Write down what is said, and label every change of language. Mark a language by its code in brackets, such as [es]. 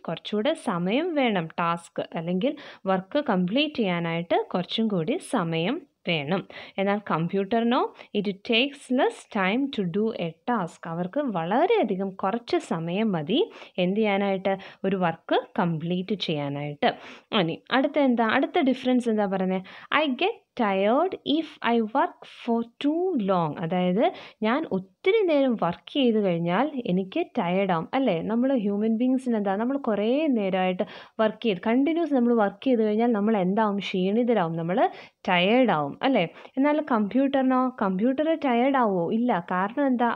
[ml] കുറച്ചുകൂടെ സമയം വേണം ടാസ്ക് അല്ലെങ്കിൽ വർക്ക് കംപ്ലീറ്റ് ചെയ്യാനായിട്ട് കുറച്ചും കൂടി സമയം വേണം. എന്നാൽ കമ്പ്യൂട്ടറിനോ [en] It takes less time to do a task. [ml] അവർക്ക് വളരെയധികം കുറച്ച് സമയം മതി എന്ത് ചെയ്യാനായിട്ട്? ഒരു വർക്ക് കംപ്ലീറ്റ് ചെയ്യാനായിട്ട്. ഇനി അടുത്ത എന്താ, അടുത്ത ഡിഫറൻസ് എന്താ പറയുന്നത്? [en] I get tired if I work for too long. [ml] അതായത് ഞാൻ ഒത്തിരി നേരം വർക്ക് ചെയ്ത് കഴിഞ്ഞാൽ എനിക്ക് ടയർഡാകും അല്ലേ. നമ്മൾ ഹ്യൂമൻ ബീങ്സിന് എന്താ, നമ്മൾ കുറേ നേരമായിട്ട് വർക്ക് ചെയ്ത് കണ്ടിന്യൂസ് നമ്മൾ വർക്ക് ചെയ്ത് കഴിഞ്ഞാൽ നമ്മൾ എന്താവും? ക്ഷീണിതരാകും, നമ്മൾ ടയർഡാവും അല്ലേ. എന്നാൽ കമ്പ്യൂട്ടറിനോ? കമ്പ്യൂട്ടർ ടയർഡാവോ? ഇല്ല. കാരണം എന്താ?